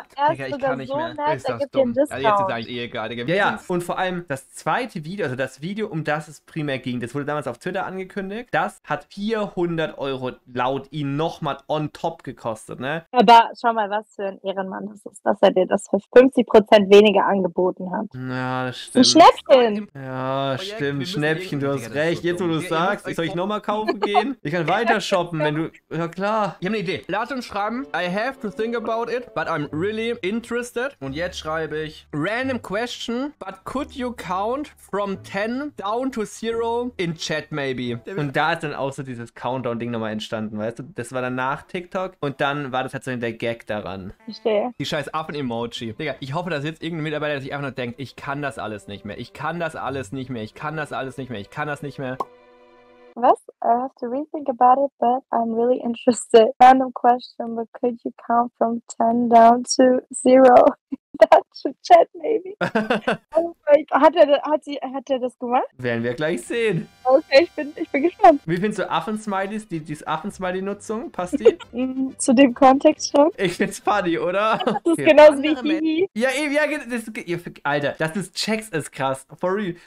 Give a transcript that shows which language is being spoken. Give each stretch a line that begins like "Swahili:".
German: Digga, ich kann nicht mehr. Ist das dumm. Also jetzt ist eigentlich egal. Ja, und vor allem das zweite Video, also das Video, um das es primär ging, das wurde damals auf Twitter angekündigt, das hat 400 Euro laut ihn nochmal on top gekostet, ne? Aber schau mal, was für ein Ehrenmann das ist, dass er dir das für 50% weniger angeboten hat. Ja, das stimmt. Ein Schnäppchen. Ja, stimmt, Schnäppchen, du hast recht. Jetzt, wo du es sagst, soll ich nochmal kaufen gehen? Ich kann weiter shoppen, wenn du... Ja, klar. Ich habe eine Idee. Lass uns schreiben,
English: I have to think about it, but I'm really interested.
German: Und jetzt schreibe ich,
English: random question, but could you count from 10 down to 0 in chat maybe?
German: Und da ist dann auch so dieses Countdown-Ding nochmal entstanden, weißt du? Das war dann nach TikTok und dann war das tatsächlich der Gag daran. Verstehe. Die scheiß Affen-Emoji. Digga, ich hoffe, dass jetzt irgendein Mitarbeiter sich einfach nur denkt, ich kann das alles nicht mehr. Ich kann das alles nicht mehr. Ich kann das alles nicht mehr. Ich kann das nicht mehr. Was?
English: I have to rethink about it, but I'm really interested. Random question, but could you count from 10 down to 0? Chat, maybe.
German: hat er das gemacht? Werden wir gleich sehen. Okay, ich bin gespannt. Wie findest du Affen-Smileys, die Affen-Smiley-Nutzung? Passt die? Zu dem Kontext schon. Ich find's funny, oder? Das ist okay. Genauso wie Hihi. Ja, eben, ja, das ist, Alter, das ist Checks ist krass. For real.